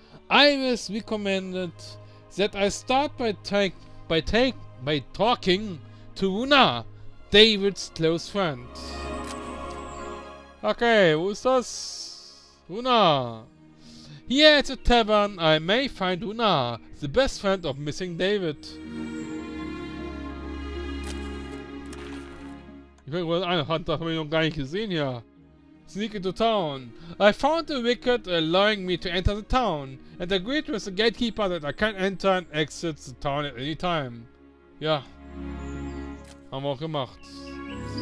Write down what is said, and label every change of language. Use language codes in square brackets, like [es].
[en] Iris recommended that I start by talking to Una, David's close friend. [de] Okay, wo ist das? Una. [en] Here at the tavern, I may find Una, the best friend of missing David. [de] Ich will eine Hand, das habe ich noch gar nicht gesehen hier. [en] Sneak into town. I found the wicket allowing me to enter the town, and agreed with the gatekeeper that I can enter and exit the town at any time. [de] Ja. Haben wir auch gemacht.